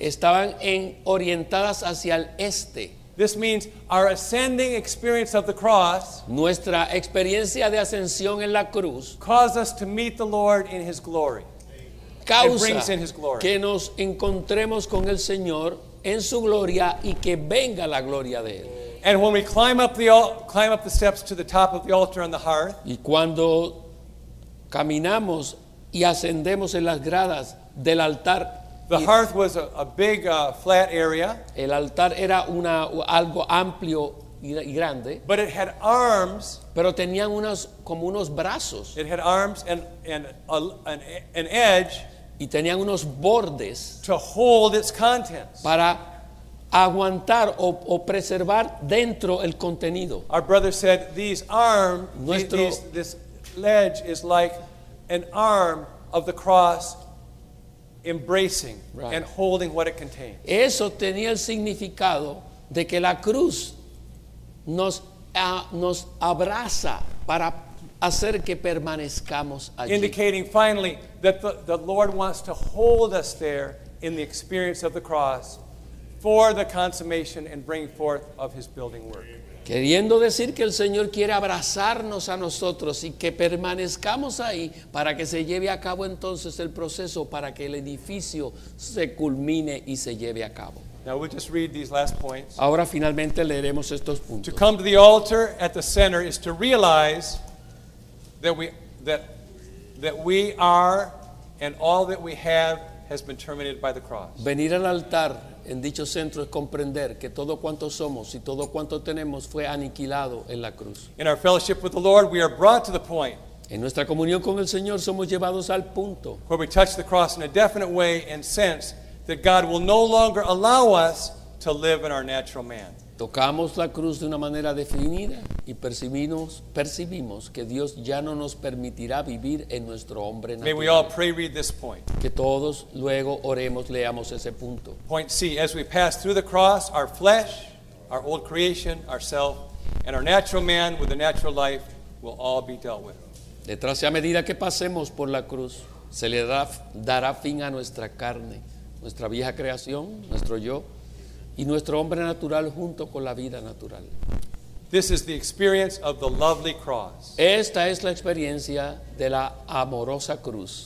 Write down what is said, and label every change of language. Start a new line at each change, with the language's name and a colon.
Spanish: Estaban orientadas hacia el este.
English: This means our ascending experience of the cross,
Spanish: nuestra experiencia de ascensión en la cruz,
English: caused us to meet the Lord in his glory.
Spanish: causa
English: and brings in his glory.
Spanish: Que nos encontremos con el Señor en su gloria y que venga la gloria de él.
English: And when we climb up the steps to the top of the altar on the hearth,
Spanish: y cuando caminamos y ascendemos en las gradas del altar,
English: the hearth was a big flat area.
Spanish: El altar era una algo amplio y grande.
English: But it had arms.
Spanish: Pero tenían unos como unos brazos.
English: It had arms and an edge.
Spanish: Y tenían unos bordes
English: to hold its contents.
Spanish: Para aguantar o preservar dentro el contenido.
English: Our brother said these arms, this ledge is like an arm of the cross embracing right. and holding what it contains.
Spanish: Eso tenía el significado de que la cruz nos abraza para hacer que permanezcamos allí.
English: Indicating finally that the Lord wants to hold us there in the experience of the cross for the consummation and bringing forth of his building work.
Spanish: Queriendo decir que el Señor quiere abrazarnos a nosotros y que permanezcamos ahí para que se lleve a cabo entonces el proceso para que el edificio se culmine y se lleve a cabo.
English: Now we'll just read these last points.
Spanish: Ahora finalmente leeremos estos puntos.
English: To come to the altar at the center is to realize that we are and all that we have has been terminated by the cross.
Spanish: Venir al altar en dicho centro es comprender que todo cuanto somos y todo cuanto tenemos fue aniquilado en la cruz.
English: In our fellowship with the Lord, we are brought to the point.
Spanish: En nuestra comunión con el Señor somos llevados al punto.
English: Where we touch the cross in a definite way and sense that God will no longer allow us to live in our natural man.
Spanish: Tocamos la cruz de una manera definida y percibimos que Dios ya no nos permitirá vivir en nuestro hombre natural.
English: May we all pray read this point.
Spanish: Que todos luego oremos, leamos ese punto.
English: Point C, as we pass through the cross, our flesh, our old creation, ourself, and our natural man with the natural life will all be dealt with.
Spanish: Detrás y a medida que pasemos por la cruz, se le dará fin a nuestra carne, nuestra vieja creación, nuestro yo, y nuestro hombre natural junto con la vida natural.
English: This is the experience of the lovely cross.
Spanish: Esta es la experiencia de la amorosa cruz.